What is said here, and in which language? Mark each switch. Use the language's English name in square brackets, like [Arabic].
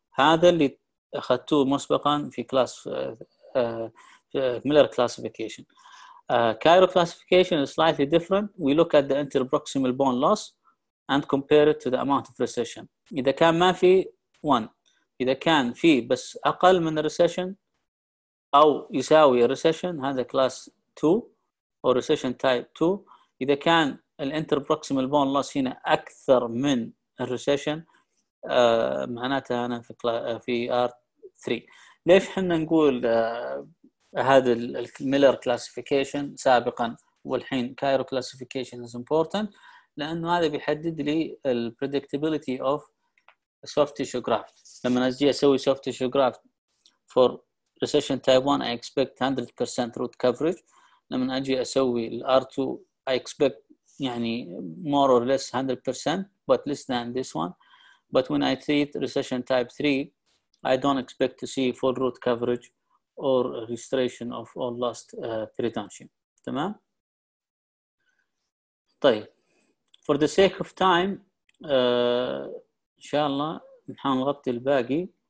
[Arabic] هذا اللي أخذتوه مسبقا في class Miller classification. [English] Cairo classification is slightly different. We look at the interproximal bone loss and compare it to the amount of recession. [Arabic] إذا كان ما في one, إذا كان في بس أقل من recession أو يساوي recession هذا [English] class 2 or recession type 2. [Arabic] إذا كان الانتربروكسيمال بون لوس هنا أكثر من الريسيشن معناتها أنا في R3. ليش حنا نقول هذا الميلر كلاسيفيكيشن سابقا والحين كايرو كلاسيفيكيشن [English] is important؟ [Arabic] لأنه هذا بيحدد لي البريدكتابيليتي [English] of soft tissue graft. [Arabic] لما أجي أسوي [English] soft tissue graft for recession type 1 I expect 100% root coverage. [Arabic] لما أجي أسوي [English] R2 I expect يعني more or less 100%, but less than this one. But when I treat recession type 3, I don't expect to see full root coverage or restoration of all lost peritonsium. [Arabic] تمام؟ طيب. [English] For the sake of time, [Arabic] إن شاء الله نغطي الباقي.